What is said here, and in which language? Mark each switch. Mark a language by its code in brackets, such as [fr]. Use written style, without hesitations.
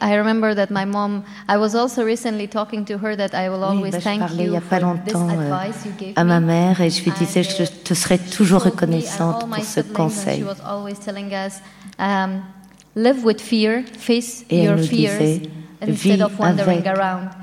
[en] I remember that my mom, I was also recently talking to her that I will always thank you for this advice you gave me. [fr] À ma mère et je lui disais je te serai toujours reconnaissante pour ce conseil. [en] She was always telling us, live with fear, face your fears instead of wandering around.